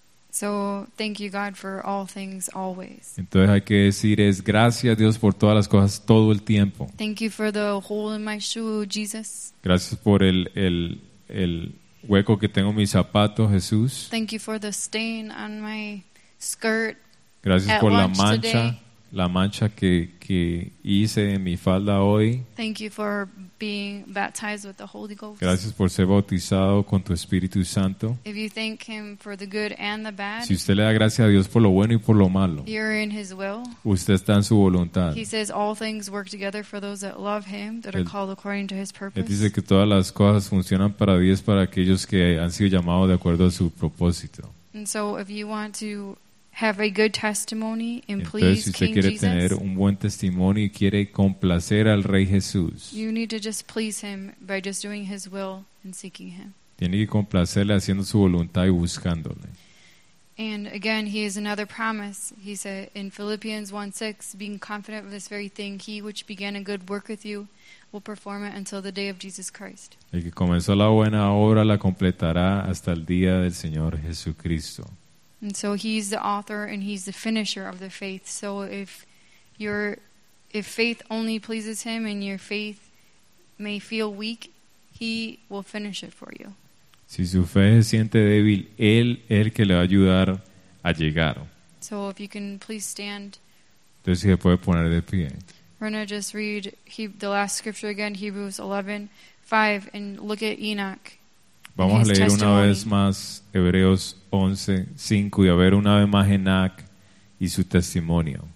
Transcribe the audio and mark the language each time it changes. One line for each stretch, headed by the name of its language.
English: So, thank you God for all things always.
Spanish: Entonces hay que decir, es gracias Dios por todas las cosas todo el tiempo.
English: Thank you for the hole in my shoe, Jesus.
Spanish: Gracias por el hueco que tengo en mi zapato, Jesús.
English: Thank you for the stain on my skirt.
Spanish: Gracias por la mancha
English: today.
Spanish: La mancha que hice en mi falda hoy.
English: Thank you for being baptized with the Holy Ghost.
Spanish: Gracias por ser bautizado con tu Espíritu Santo.
English: If you thank him for the good and the bad,
Spanish: si usted le da gracias a Dios por lo bueno y por lo malo,
English: you're in his will.
Spanish: Usted está en su voluntad.
English: He says all things work together for those that love him, that are called according to his purpose.
Spanish: Él dice que todas las cosas funcionan para bien para aquellos que han sido llamados de acuerdo a su propósito.
English: And so if you want to have a good testimony and
Spanish: entonces,
English: please King Jesus.
Spanish: Si usted quiere
English: Jesus,
Spanish: tener un buen testimonio y quiere complacer al Rey Jesús,
English: you need to just please him by just doing his will and seeking him.
Spanish: Tiene que complacerle haciendo su voluntad y buscándole.
English: And again, he has another promise. He said in Philippians 1:6, being confident of this very thing, he which began a good work with you will perform it until the day of Jesus Christ.
Spanish: El que comenzó la buena obra la completará hasta el día del Señor Jesucristo.
English: And so he's the author and he's the finisher of the faith. So if faith only pleases him and your faith may feel weak, he will finish it for you.
Spanish: Si su fe se siente débil, él es el que le va a ayudar a llegar.
English: So if you can please stand.
Spanish: Entonces si se puede poner de pie.
English: We're going to just read the last scripture again, Hebrews 11:5, and look at Enoch.
Spanish: Vamos a leer una vez más Hebreos 11:5 y a ver una vez más Enoch y su testimonio.